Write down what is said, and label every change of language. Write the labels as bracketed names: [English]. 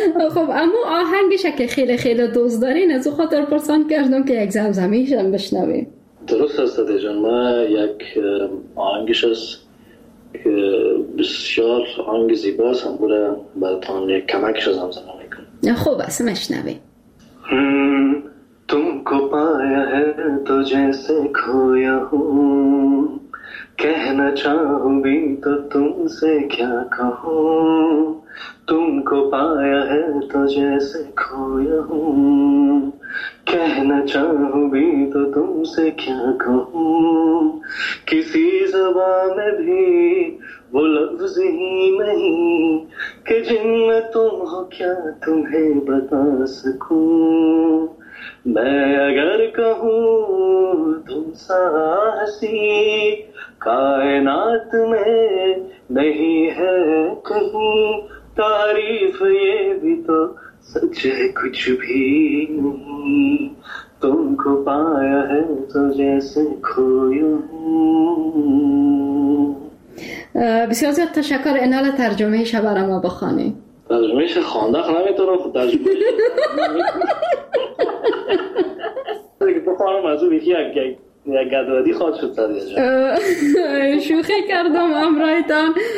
[Persian] خب اما آهنگش که خیلی خیلی دوست دارین از او خاطر پرسان کردم که یک زمزمیش هم بشنویم. درست است دی جان، من یک آهنگش است که بسیار آهنگ زیباست، هم بوده براتان یک کمکش زمزمه میکنم. خب اصلا بشنویم. [Hindi] तुमको पाया है तो जैसे खोया हूँ, कहना चाहूँ भी तो तुमसे क्या कहूँ, तुमको पाया है तो जैसे खोया हूँ, कहना चाहूँ भी तो तुमसे क्या कहूँ, किसी ज़बान में भी वो लफ्ज ही नहीं कि जिनमें तुम हो क्या तुम्हें बता सकूं, मैं अगर कहूँ तुम साहसी कायनात में नहीं है कहीं, तारीफ ये भी तो सच है कुछ भी नहीं, तुमको पाया है तो जैसे खोया हूँ. [Persian] بسیار زیاد تشکر. اینال ترجمه شه برای ما بخوانی. ترجمه شه خواندخ نمیتونم خود ترجمه شه بخوانم از او بیخی یک گدودی خواهد شد سریجا. شوخی کردم امرایتان.